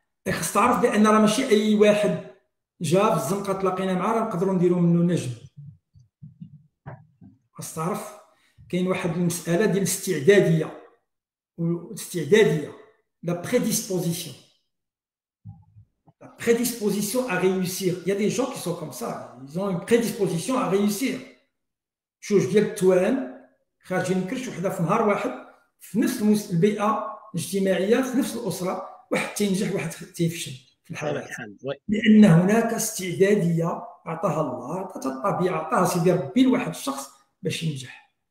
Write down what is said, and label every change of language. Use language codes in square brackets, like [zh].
[ar] خص تعرف بان راه ماشي اي واحد جا في الزنقه تلاقينا معاه راه نقدروا نديروا منه نجم. خص تعرف كاين واحد المساله ديال الاستعداديه، والاستعداديه لا بريديسبوزيسيون، [fr] la prédisposition à réussir. Il y a des gens qui sont comme ça, ils ont une prédisposition à réussir. [ar] شوف ديال التوان خارج من كرش وحده في نهار واحد في نفس البيئه الاجتماعيه في نفس الاسره، واحد تينجح واحد تيفشل في الحاله، لان هناك استعداديه اعطاها الله، عطاتها الطبيعه، عطاها سيدي ربي لواحد الشخص باش ينجح.